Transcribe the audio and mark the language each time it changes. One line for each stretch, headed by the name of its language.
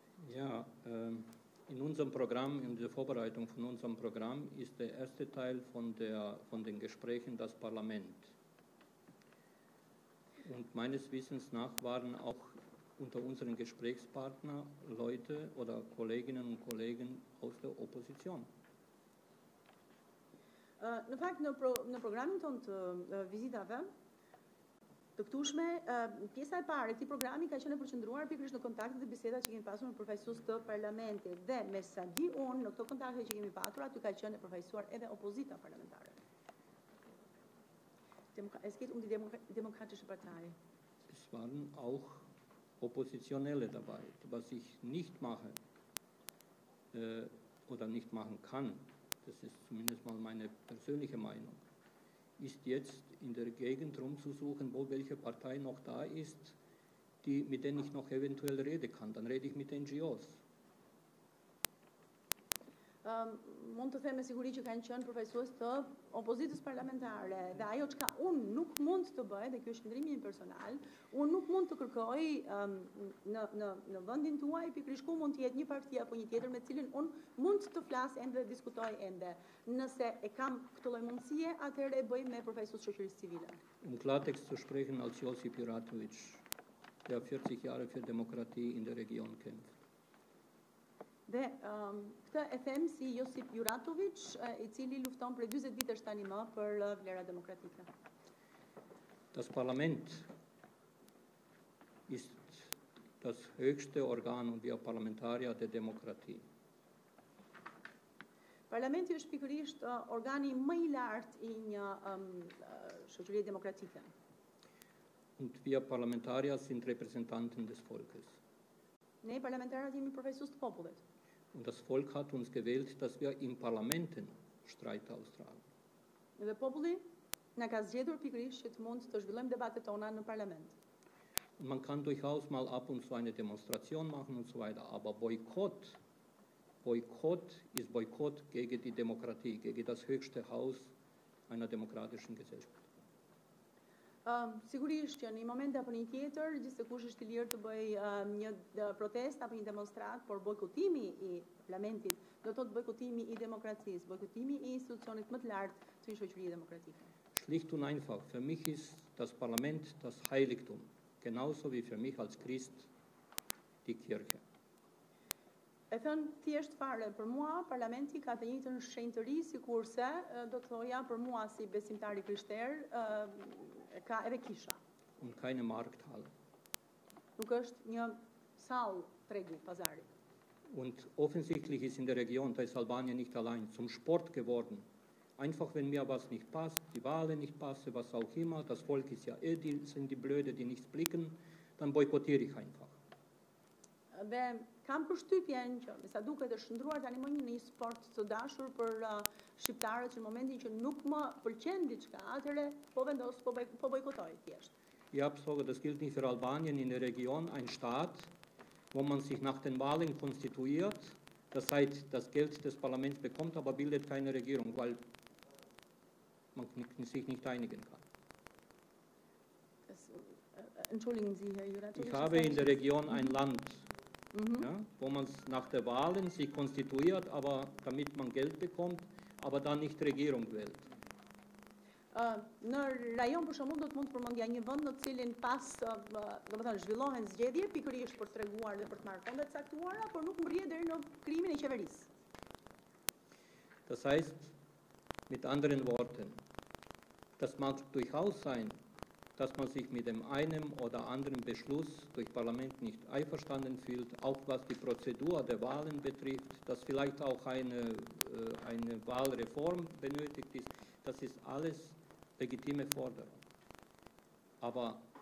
German: Ja, in unserem Programm, in der Vorbereitung von unserem Programm ist der erste Teil von den Gesprächen das Parlament. Und meines Wissens nach waren auch unter unseren Gesprächspartnern Leute oder Kolleginnen und Kollegen aus der Opposition.
Albanian: Në fakt, në programin tonë të vizitave, të këtushme, pjesa e pare, këti programi ka qenë përqendruar pikërisht në kontaktet dhe bisedat që kemi pasur me përfaqësues të parlamentit. Dhe me sa di unë, në këto kontakte që kemi pasur, aty ka qenë përfaqësuar edhe opozita parlamentare.
German: Es geht um die demokratische Partei. Es waren auch Oppositionelle dabei. Was ich nicht mache oder nicht machen kann, das ist zumindest mal meine persönliche Meinung, ist jetzt in der Gegend rumzusuchen, wo welche Partei noch da ist, die, mit denen ich noch eventuell reden kann. Dann rede ich mit NGOs.
Albanian: Mund të them me siguri që kanë qenë përfaqësues të opozitës parlamentare dhe ajo që unë nuk mund të bëj, dhe kjo është ndryshimi im personal, unë nuk mund të kërkoj në vendin tuaj pikërisht ku mund të jetë një parti apo një tjetër me cilin unë mund të flas ende dhe diskutoj ende. Nëse e kam këtë lloj mundësie, atëherë e bëj me përfaqësues shoqërisë civile.
German: Um Klartext zu sprechen als Josip Juratovic, der 40 Jahre für Demokratie in der Region kämpft.
Albanian: Dhe këtë e them si Josip Juratovic, i cili lufton për 20 vitesh tani më për vlera demokratike.
German: Das Parlament ist das höchste Organ und wir Parlamentarier der Demokratie.
Albanian: Parlamenti është pikërisht organi më i lartë i një shoqërie demokratike.
German: Und wir Parlamentarier sind Repräsentanten des Volkes.
Albanian: Ne parlamentarët jemi përfaqësues të popullit.
German: Und das Volk hat uns gewählt, dass wir in Parlamenten Streit austragen.
Albanian: Dhe populli na ka zgjedhur pikërisht që të mund të zhvillojmë debatet tona në parlament.
German: Man kann durchaus mal ab und zu eine Demonstration machen und so weiter, aber Bojkott ist Bojkott gegen die Demokratie, gegen das höchste Haus einer demokratischen Gesellschaft.
Albanian: Sigurisht që në një moment apo një tjetër, gjithsekush është i lirë të bëj një protest apo një demonstrat, por bojkotimi i parlamentit do të thotë bojkotimi i demokracisë, bojkotimi i institucionit më të lartë të një shoqërie demokratike.
German: Schlicht und einfach, für mich ist das Parlament das Heiligtum, genauso wie für mich als Christ die Kirche.
Albanian: E thënë thjesht fare, për mua parlamenti ka të njëjtën shenjtëri sikurse do të thoja për mua si besimtari krishterë, ka edhe kisha.
German: Und keine Markthalle.
Albanian: Nuk është një sallë tregu pazari.
German: Und offensichtlich ist in der Region, da ist Albanien nicht allein, zum Sport geworden. Einfach wenn mir was nicht passt, die Wahlen nicht passen, was auch immer, das Volk ist ja eh, die sind die Blöde, die nichts blicken, dann boykottiere ich einfach.
Albanian: Dhe kam përshtypjen që me sa duket është shndruar tani më një në sport të dashur për shqiptarët që në momentin që nuk më pëlqen diçka, atëre po vendos po bojkotoj thjesht.
German: Ja, so das gilt nicht für Albanien in der Region, ein Staat, wo man sich nach den Wahlen konstituiert, das heißt, das Geld des Parlaments bekommt, aber bildet keine Regierung, weil man sich nicht einigen kann. Entschuldigen Sie, Herr Juratovic. Ich habe in der Region ein Land, ja, wo man es nach der Wahlen sich konstituiert, aber damit man Geld bekommt, aber dann nicht Regierung wählt.
Albanian: Në rajon për shembull do të mund të përmendja një vend në cilin pas domethënë zhvillohen zgjedhje pikërisht për treguar dhe për të marrë kënde të caktuara, por nuk mrihet deri në krimin e qeverisë.
German: Das heißt, mit anderen Worten, das mag durchaus sein, dass man sich mit dem einen oder anderen Beschluss durch Parlament nicht einverstanden fühlt, auch was die Prozedur der Wahlen betrifft, dass vielleicht auch eine Wahlreform benötigt ist, das ist alles legitime Forderung. Aber